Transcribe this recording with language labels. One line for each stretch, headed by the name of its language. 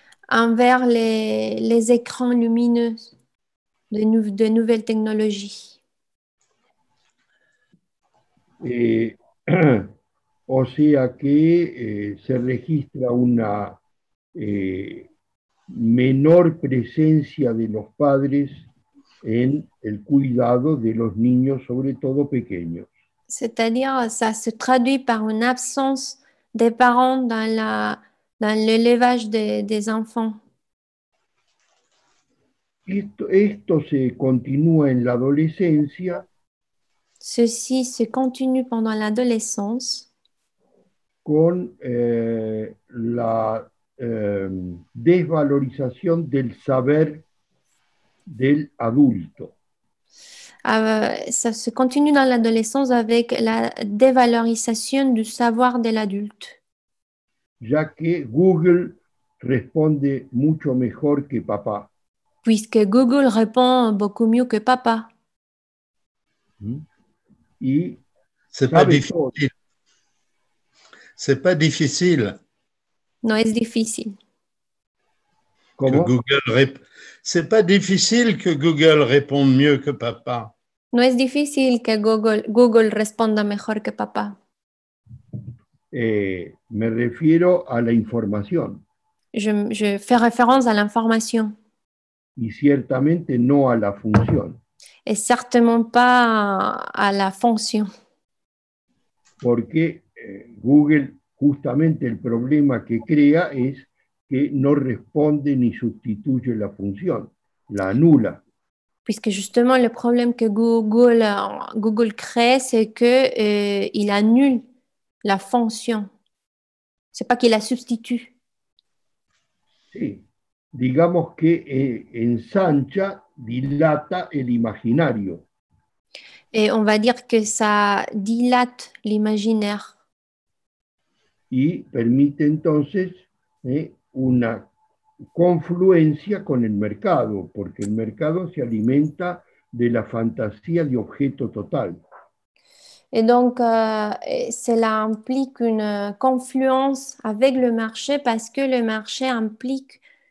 French: Envers les écrans lumineux de nouvelles technologies.
Spanish: Et, o sea que se registra una menor presencia de los padres en el cuidado de los niños, sobre todo pequeños.
French: C'est-à-dire, ça se traduit par une absence des parents dans l'élevage des enfants.
Spanish: Esto se continúa en la adolescencia.
French: Ceci se continue pendant l'adolescence.
Spanish: Con la desvalorización del saber del adulto.
French: Ça se continue dans l'adolescence avec la dévalorisation du savoir de l'adulte.
Spanish: Ya que Google responde mucho mejor que papá.
French: Puisque Google répond beaucoup mieux que papa.
Spanish: Y
French: c'est pas difficile. C'est pas difficile. Non, c'est difficile. Comment? C'est pas difficile que Google réponde mieux que papa. Non, c'est difficile que Google
Spanish: responde mejor
French: que papa.
Spanish: Me refiero a la información.
French: Je fais référence à l'information.
Spanish: Y ciertamente no a la función.
French: Et certainement pas à la fonction.
Spanish: Porque Google, justamente el problema que crea es que no responde ni sustituye la función, la anula.
French: Puisque justement le problème que Google crée, c'est qu'il annule la fonction. C'est pas qu'il la substitue.
Spanish: Sí. Digamos que ensancha, dilata el imaginario.
French: Et on va dire que ça dilate l'imaginaire.
Spanish: Y permite entonces una confluencia con el mercado, porque el mercado se alimenta de la fantasía de objeto total.
French: Et donc, cela implique une confluence avec le marché parce que le marché implique